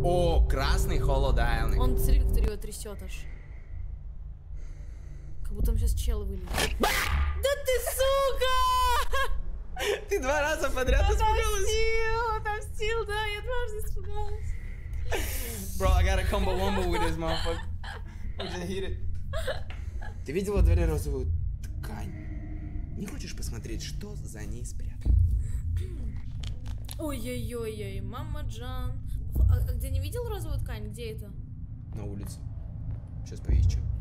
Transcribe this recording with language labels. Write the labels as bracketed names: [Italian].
[Russian] Он, смотри, как ты его трясёт аж. Как будто там сейчас чел вылетит. Да ты сука! Ты два раза подряд испугалась? Отомстил, да, я дважды испугалась. [English] Bro, I got a combo-wombo with this motherfucker. I'm gonna hit it. [Russian] Ты видела дверь розовую ткань? Не хочешь посмотреть, что за ней спрятано? Ой-ой-ой-ой, мама Джан. А где не видел розовую ткань? Где это? На улице. Сейчас поищу.